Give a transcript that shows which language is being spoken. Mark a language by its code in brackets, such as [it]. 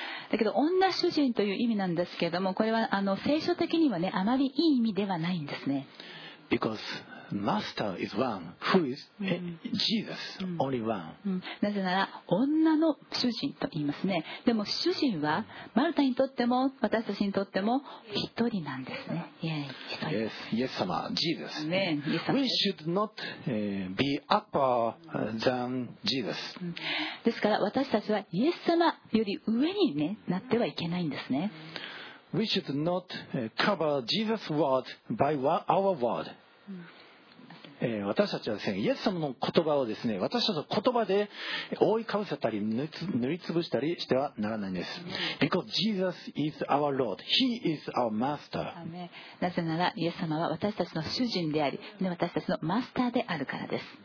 [ja] だけど女主人という意味なんですけれども、これは聖書的にはね、あまりいい意味ではないんですね。 [en] Because master is one, who is Jesus, only one. [ja] なぜなら女の主人と言いますね。でも主人はマルタにとっても私たちにとっても一人なんですね。 [en] Yes, yes, 様、Jesus. Amen. We should not be upper than Jesus. [ja] ですから私たちはイエス様より上に、ね、なってはいけないんですね。 [en] We should not cover Jesus' word by our word. [ja] 私たちはですね、イエス様の言葉をですね、私たちの言葉で覆いかぶせたり塗りつぶしたりしてはならないんです。 [en] Because Jesus is our Lord. He is our master. [ja] なぜなら、イエス様は私たちの主人であり、私たちのマスターであるからです。